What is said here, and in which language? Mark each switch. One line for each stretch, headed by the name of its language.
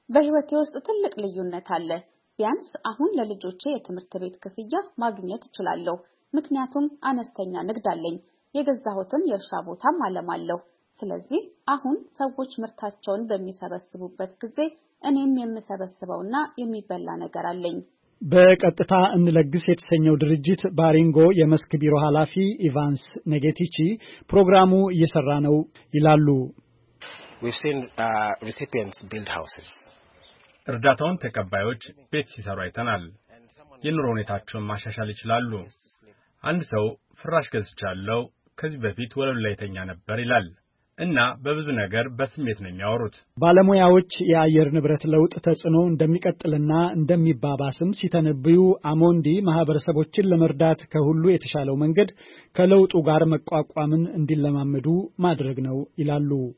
Amharic: በህይወቴ ውስጥ ትልቅ ልዩነት አለ። ቢያንስ አሁን ለልጆቼ የትምህርት ቤት ክፍያ ማግኘት እችላለሁ። ምክንያቱም አነስተኛ ንግድ አለኝ። የገዛሁትን የእርሻ ቦታም አለማለሁ። ስለዚህ አሁን ሰዎች ምርታቸውን በሚሰበስቡበት ጊዜ እኔም የምሰበስበውና የሚበላ ነገር አለኝ። በቀጥታ እንለግስ የተሰኘው ድርጅት ባሪንጎ የመስክ ቢሮ ኃላፊ ኢቫንስ ኔጌቲቺ ፕሮግራሙ እየሰራ ነው ይላሉ።
English: We've seen recipients build houses.
Amharic: እርዳታውን ተቀባዮች ቤት ሲሰሩ አይተናል። የኑሮ ሁኔታቸውን ማሻሻል ይችላሉ። አንድ ሰው ፍራሽ ገዝቻለሁ ከዚህ በፊት ወለሉ ላይ ተኛ ነበር ይላል። እና በብዙ ነገር በስሜት ነው የሚያወሩት። ባለሙያዎች የአየር ንብረት ለውጥ ተጽዕኖ እንደሚቀጥልና እንደሚባባስም ሲተነብዩ አሞንዲ ማህበረሰቦችን ለመርዳት ከሁሉ የተሻለው መንገድ ከለውጡ ጋር መቋቋምን እንዲለማመዱ ማድረግ ነው ይላሉ።